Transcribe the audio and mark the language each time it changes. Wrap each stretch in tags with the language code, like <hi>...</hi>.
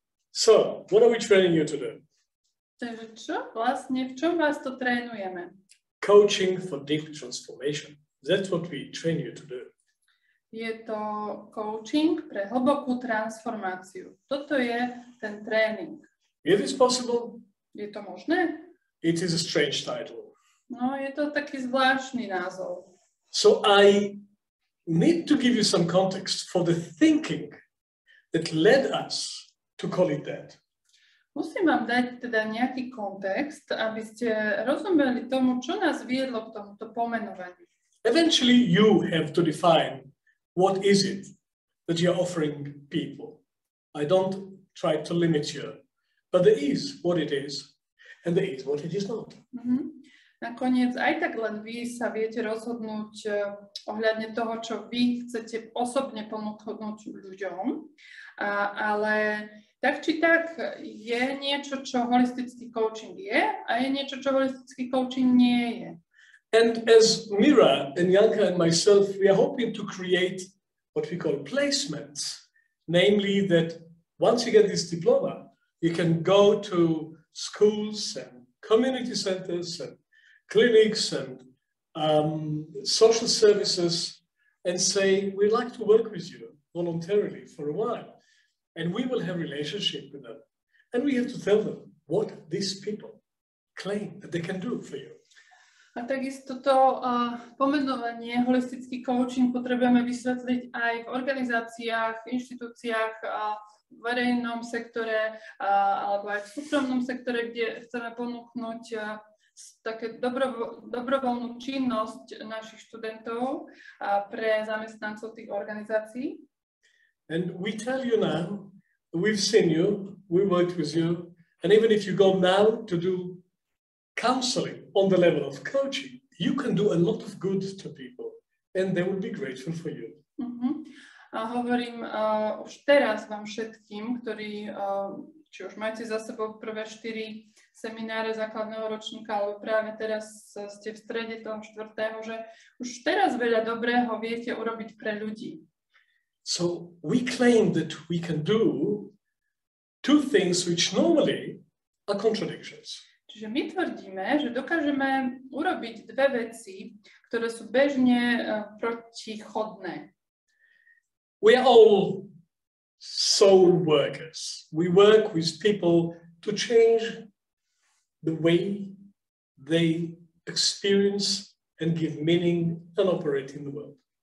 <en>So what are we training you to do?</en> <sk>Takže čo vlastne, v čom vás to trénujeme?</sk> <en>Coaching for deep transformation. That's what we train you to do.</en> <sk>Je to coaching pre hlbokú transformáciu. Toto je ten tréning.</sk> <en>Is it possible?</en> <sk>Je to možné?</sk> <en>It is a strange title.</en> <sk>No, je to taký zvláštny názov.</sk> <en>So I need to give you some context for the thinking that led us to call it that.</en> <sk>Musím vám dať teda nejaký kontext, aby ste rozumeli tomu, čo nás viedlo k tomuto pomenovaniu.</sk> <en>Eventually you have to define what is it that you are offering people. I don't try to limit you, but there is what it is and there is what it is not. Mm-hmm.</en> <sk>Nakoniec aj tak len vy sa viete rozhodnúť ohľadne toho, čo vy chcete osobne ponúknuť ľuďom, ale tak či tak, je niečo, čo holistický coaching je a je niečo, čo holistický coaching nie je.</sk> <en>And as Mira and Janka and myself, we are hoping to create what we call placements. Namely that once you get this diploma, you can go to schools and community centers and clinics and social services and say, we'd like to work with you voluntarily for a while. And we will have a relationship with them. And we have to tell them what these people claim that they can do for you.</en> <sk>A takisto to pomenovanie holistický coaching potrebujeme vysvetliť aj v organizáciách, inštitúciách a v verejnom sektore alebo aj v súkromnom sektore, kde chceme ponúknuť také dobrovoľnú činnosť našich študentov a pre zamestnancov tých organizácií.</sk> <en>And we tell you now, we've seen you, we worked with you, and even if you go now to do counseling on the level of coaching, you can do a lot of good to people and they will be grateful for you. Mm-hmm.</en> <sk>A hovorím už teraz vám všetkým, ktorí či už máte za sebou prvé 4 semináre základného ročníka, alebo práve teraz ste v strede toho štvrtého, že už teraz veľa dobrého viete urobiť pre ľudí.</sk> <en>So we claim that we can do two things which normally are contradictions.</en> <sk>Čiže my tvrdíme, že dokážeme urobiť dve veci, ktoré sú bežne protichodné.</sk> <en>We are all soul workers. We work with people to change the way they experience and give meaning and operate in the world.</en>